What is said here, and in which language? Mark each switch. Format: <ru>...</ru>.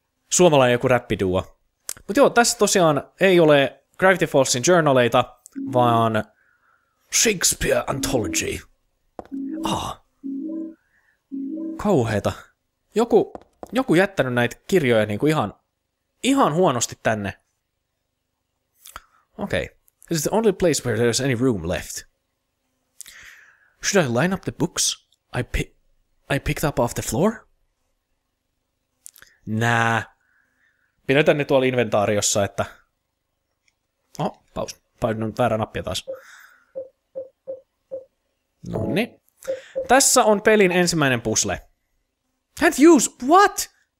<fi>Suomalainen joku räppiduo. Mut joo, tässä tosiaan ei ole Gravity Fallsin journaleita, vaan Shakespeare Anthology. Kauheeta. Joku jättänyt näitä kirjoja niinku ihan huonosti tänne. Okei. Okay.</fi> <en>This is the only place where there's any room left. Should I line up the books I picked up off the floor?</en> <fi>Nää. Pidetään ne tuolla inventaariossa, että... pause. Painan väärä nappia taas. Noni. Tässä on pelin ensimmäinen puzzle.</fi> <en>Can't use... What?</en>